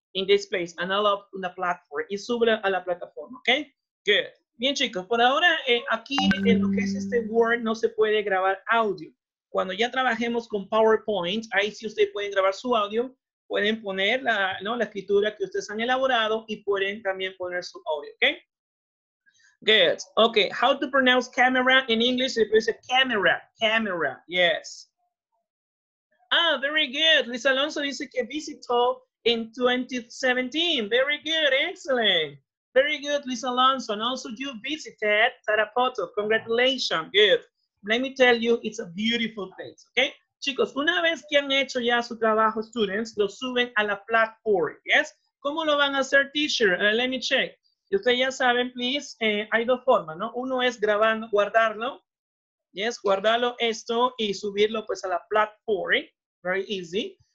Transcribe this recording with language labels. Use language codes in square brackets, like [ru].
[en] In this place, and all up on the platform. [es] Y sube a la plataforma, ¿ok? [en] Good. [es] Bien, chicos, por ahora, aquí en lo que es este Word, no se puede grabar audio. Cuando ya trabajemos con PowerPoint, ahí sí ustedes pueden grabar su audio, pueden poner la, ¿no? la escritura que ustedes han elaborado y pueden también poner su audio, ¿ok? [en] Good. Ok, how to pronounce camera in English? [es] Se dice camera, camera, [en] yes. Ah, very good. Luis Alonso [es] dice que visitó [en] in 2017. Very good. Excellent. Very good, Luis Alonso. And also you visited Tarapoto. Congratulations. Good. Let me tell you, it's a beautiful place. Okay? [es] Chicos, una vez que han hecho ya su trabajo, students, lo suben a la platform. Yes? ¿Cómo lo van a hacer, teacher? [en] Let me check. [es] Ustedes ya saben, please, hay dos formas, ¿no? Uno es grabando, guardarlo. Yes? Guardarlo esto y subirlo, pues, a la platform. [en] Very easy.